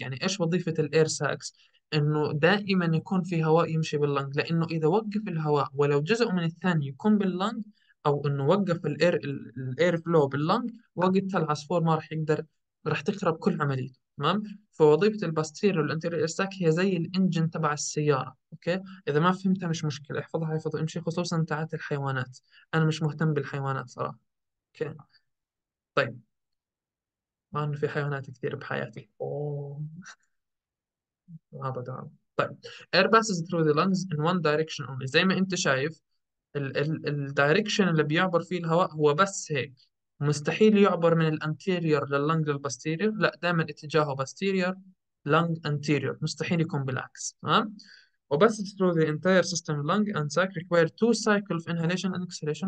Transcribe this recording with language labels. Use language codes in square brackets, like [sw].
[ar] يعني ايش وظيفه الاير ساكس؟ انه دائما يكون في هواء يمشي باللنج، لانه اذا وقف الهواء ولو جزء من الثاني يكون باللنج، او انه وقف الاير فلو باللنج، وقتها العصفور ما راح يقدر، راح تخرب كل عمليته، تمام؟ فوظيفه الباستير والانتيريور اير ساك هي زي الانجن تبع السياره. اوكي، اذا ما فهمتها مش مشكله، احفظها حفظ امشي، خصوصا تاعت الحيوانات، انا مش مهتم بالحيوانات صراحه. اوكي طيب، ما انه في حيوانات كثير بحياتي. أوه. هذا دعم. [en] طيب، air passes through the lungs in one direction only. [ar] زي ما انت شايف الدايركشن اللي بيعبر فيه الهواء هو بس هيك، مستحيل يعبر من الانتيريور لللنج للباستيريور، لا، دائما اتجاهه باستيريور لنج انتيريور، مستحيل يكون بالعكس، تمام؟ وبس [en] through the entire system lung and sac require two cycles of inhalation and exhalation.